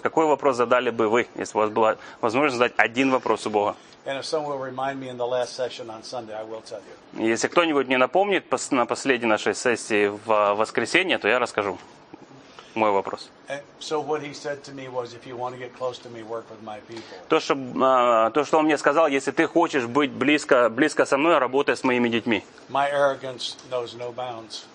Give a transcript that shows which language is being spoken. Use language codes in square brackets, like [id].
[ru] Какой вопрос задали бы вы, если у вас была возможность задать один вопрос у Бога? [en] And if someone will remind me in the last session on Sunday, I will tell you. [ru] Если кто-нибудь мне напомнит на последней нашей сессии в воскресенье, то я расскажу мой вопрос. [en] So what he said to me was, if you want to get close to me, work with my people. [ru] То, что он мне сказал, если ты хочешь быть близко со мной, работай с моими детьми. [en] My arrogance knows no bounds.